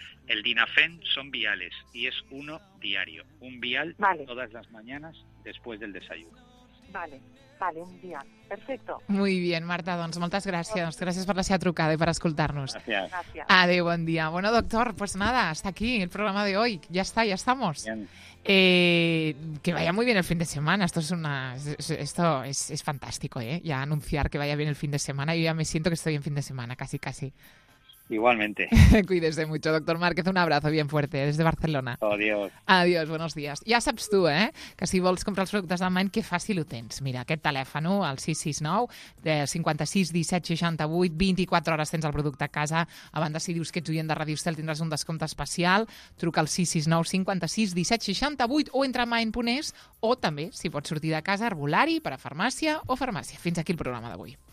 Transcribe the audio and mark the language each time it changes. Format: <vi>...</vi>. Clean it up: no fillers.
<es>El Dinafen</es> <ca>són</ca> <es>viales i és uno diario. Un vial, vale. Todas las mañanas después del desayuno. Vale, un vial. Perfecto. Muy bien,</es> <ca>Marta, doncs moltes gràcies. Gràcies per la seva trucada i per escoltar-nos. Gràcies. Adéu, bon dia.</ca> <es>Bueno, doctor, pues nada, hasta aquí el programa de hoy. Ya estamos. Bien. Que vaya muy bien el fin de semana. Esto es fantástico, ¿eh? Ya anunciar que vaya bien el fin de semana. Yo ya me siento que estoy en fin de semana, casi, casi. Igualmente. Cuídese mucho, doctor Márquez. Un abrazo bien fuerte desde Barcelona. Adiós. Adiós, buenos días.</es> <ca>Ja saps tu,</ca> <es>¿eh?</es> <ca>Que si vols comprar els productes d'Amain, que fàcil ho tens. Mira, aquest telèfon, el 669 56 17 68, 24 hores tens el producte a casa. A banda, si dius que ets oient de Radio Estel, tindràs un descompte especial. Truca al 669 56 17 68 o entra a Amain.es, o també, si pots sortir de casa, Arbolari, per a farmàcia o farmàcia. Fins aquí el programa d'avui.</ca>